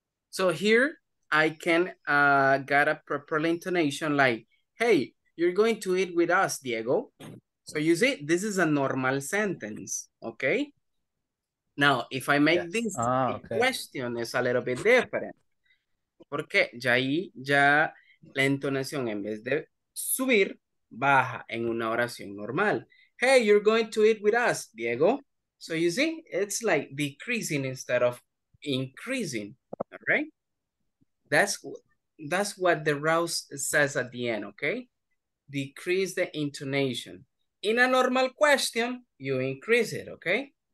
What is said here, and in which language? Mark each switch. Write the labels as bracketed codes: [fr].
[en] So here I can get a proper intonation like, hey, you're going to eat with us, Diego. So you see, this is a normal sentence, okay? Now, if I make this question, it's a little bit different. [es] Porque ya ahí, ya la entonación en vez de subir, baja en una oración normal. [en] Hey, you're going to eat with us, Diego. So you see, it's like decreasing instead of increasing, all right? That's what the Rouse says at the end, okay? Decrease the intonation. In a normal question, you increase it, okay?